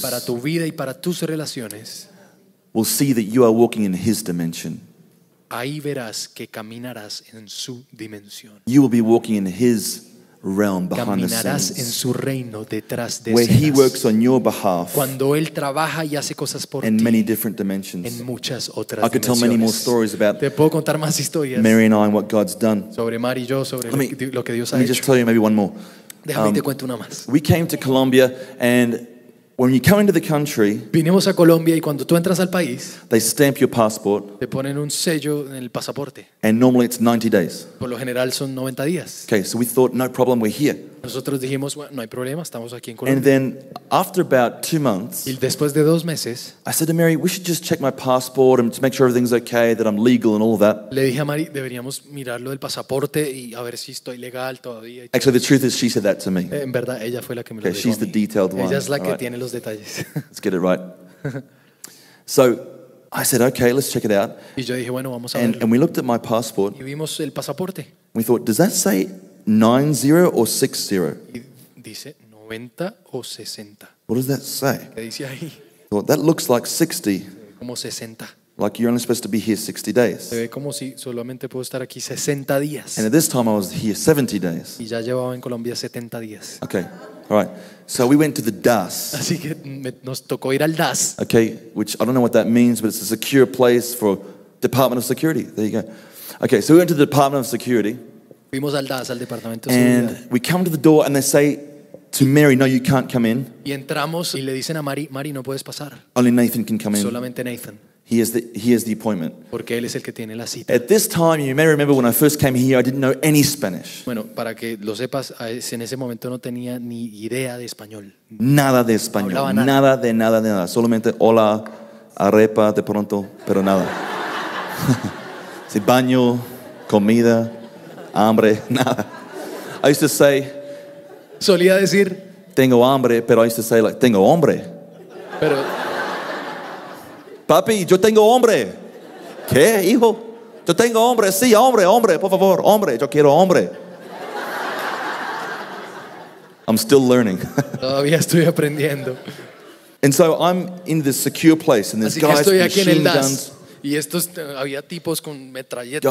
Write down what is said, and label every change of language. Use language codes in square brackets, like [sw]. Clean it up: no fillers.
[es] para tu vida y para tus relaciones [en] we'll see that you are walking in his dimension. [es] Ahí verás que caminarás en su dimensión. [en] You will be walking in his realm behind [es] caminarás [en] the scenes, [es] en su reino detrás de [en] where [es] escenas, [en] he works on your behalf, [es] cuando él trabaja y hace cosas por [en] in [es] ti [en] many different dimensions. [es] En muchas otras [en] I could [es] dimensiones [en] tell many more stories about [es] te puedo contar más historias [en] Mary and I and what God's done. [es] Sobre Mary y yo sobre [en] me, [es] lo que Dios ha [en] let me [es] hecho [en] just tell you maybe one more. [es] Déjame te cuento una más. [en] We came to Colombia and when you come into the country [es] vinimos a Colombia y cuando tú entras al país [en] they stamp your passport [es] te ponen un sello en el pasaporte [en] and normally it's 90 days [es] por lo general son 90 días [en] okay so we thought no problem we're here [es] Nosotros dijimos, bueno, no hay problema, estamos aquí en Colombia. [en] And then after about 2 months, [es] y después de 2 meses, [en] I said to Mary, we should just check my passport and to make sure everything's okay, that I'm legal and all that. [es] Le dije a Mary, deberíamos mirar lo del pasaporte y a ver si estoy legal todavía. [en] Actually, the truth is she said that to me. [es] En verdad, ella fue la que me lo dijo. [en] She's the detailed one. [es] Ella es la que tiene los detalles. [en] Let's get it right. So I said, okay, let's check it out. [es] Y yo dije, bueno, vamos a verlo. [en] And we looked at my passport. [es] Y vimos el pasaporte. [en] We thought, does that say 90 or 60? [es] Dice 90 o 60. [en] What does that say? [es] ¿Qué dice ahí? [en] Well, that looks like 60. [es] Como 60. [en] Like you're only supposed to be here 60 days. [es] Se ve como si solamente puedo estar aquí 60 días. [en] And at this time I was here 70 days. [es] Y ya llevaba en Colombia 70 días. [en] Okay. All right. So we went to the DAS. [es] Así que nos tocó ir al DAS. [en] Okay, which I don't know what that means, but it's a secure place for Department of Security. There you go. Okay, so we went to the Department of Security. [es] Fuimos al DAS, al Departamento de Seguridad. [en] And we come to the door and they say to Mary, no, you can't come in. [es] Y entramos y le dicen a Mary, Mary, no puedes pasar. [en] Only Nathan can come in. [es] Solamente Nathan. [en] He has the appointment. [es] Porque él es el que tiene la cita. [en] At this time, you may remember when I first came here, I didn't know any Spanish. [es] Bueno, para que lo sepas, en ese momento no tenía ni idea de español. Nada de español. Hablaba nada. Nada de nada de nada. Solamente hola, arepa, de pronto, pero nada. Sí, baño, comida, hambre, nada. [en] I used to say. [es] Solía decir. Tengo hambre, pero [en] I used to say like [es] tengo hombre. Pero. Papi, yo tengo hombre. ¿Qué, hijo? Yo tengo hombre, sí, hombre, hombre, por favor, hombre, yo quiero hombre. [en] I'm still learning. [es] Todavía estoy aprendiendo. [en] And so I'm in this secure place and there's guys with machine guns. [es] Y estos había tipos con metralletas.